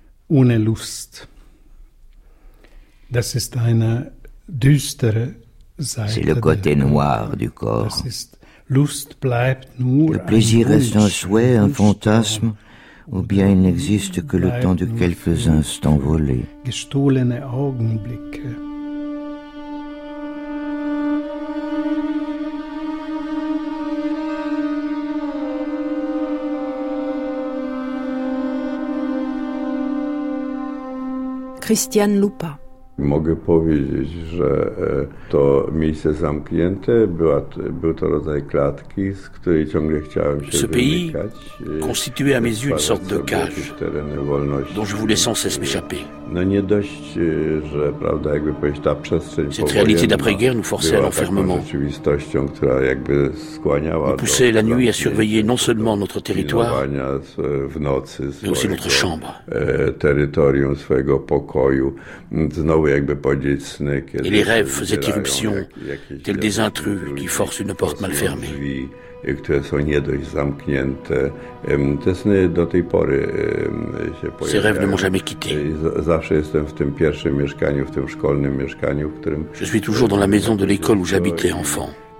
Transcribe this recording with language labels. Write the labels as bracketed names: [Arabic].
[German] Ohne Lust. Das ist eine düstere. [French] C'est le côté noir du corps. [German] Lust bleibt nur [French] le plaisir reste un souhait, un fantasme, ou bien il n'existe que le temps de quelques instants volés. [German] Gestohlene Augenblicke. [Polish] Christiane Lupa. Mogę powiedzieć, że to miejsce zamknięte był to rodzaj klatki, z której ciągle chciałem się wymykać. [French] Constituait à mes yeux une sorte de cage, dont je voulais sans cesse m'échapper. [Polish] No nie dość, że prawda, jakby powiedzieć, ta przestrzeń [French] cette réalité d'après-guerre nous forçait à l'enfermement. [Polish] Rzeczywistością, która jakby skłaniała [French] nous poussait la nuit à surveiller non seulement notre territoire, mais aussi notre chambre. [Polish] Terytorium swojego pokoju. [French] Et les rêves faisaient irruption, tels des intrus qui forcent une porte mal fermée. [Polish] I które są nie dość zamknięte. Te sny do tej pory się pojawiają. Zawsze jestem w tym pierwszym mieszkaniu, w tym szkolnym mieszkaniu, w którym. [French] Je suis toujours dans la maison de l'école où j'habitais enfant.